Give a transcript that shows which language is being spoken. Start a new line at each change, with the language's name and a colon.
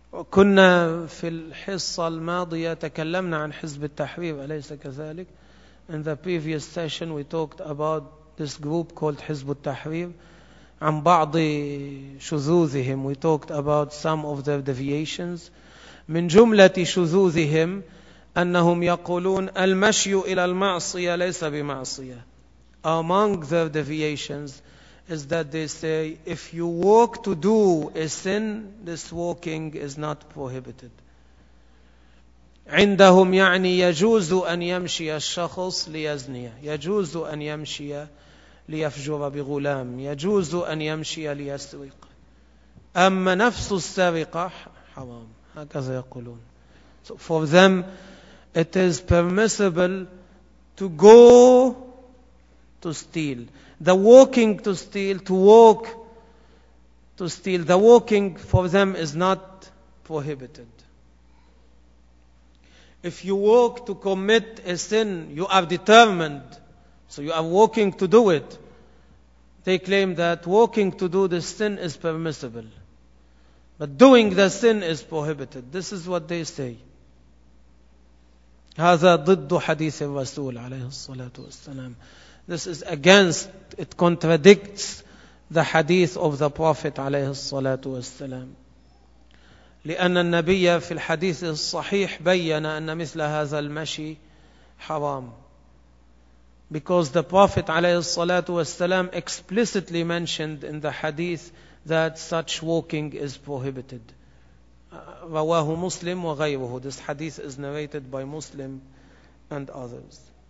Arabic: كنا في الحصة الماضية تكلمنا عن حزب التحرير، أليس كذلك؟
English: In the previous session we talked about this group called
Arabic: حزب التحرير، عن بعض شذوذهم.
English: We talked about some of their deviations.
Arabic: من جملة شذوذهم أنهم يقولون المشي إلى المعصية ليس بمعصية.
English: Among their deviations is that they say, if you walk to do a sin, this walking is not prohibited.
Arabic: عندهم يعني يجوز أن يمشي الشخص ليزني، يجوز أن يمشي ليفجر بغلام، يجوز أن يمشي ليسرق، أما نفس السرقة حرام، هكذا يقولون.
English: So for them, it is permissible to go to steal. The walking to steal, to walk to steal, the walking for them is not prohibited. If you walk to commit a sin, you are determined, so you are walking to do it. They claim that walking to do the sin is permissible, but doing the sin is prohibited. This is what they say.
Arabic: هذا ضد حديث الرسول عليه الصلاة والسلام.
English: This is against, it contradicts the hadith of the Prophet
Arabic: عليه الصلاة والسلام. لأن النبي في الحديث الصحيح بيّن أن مثل هذا المشي حرام.
English: Because the Prophet
Arabic: عليه الصلاة والسلام
English: explicitly mentioned in the hadith that such walking is prohibited.
Arabic: رواه مسلم وغيره.
English: This hadith is narrated by Muslim and others.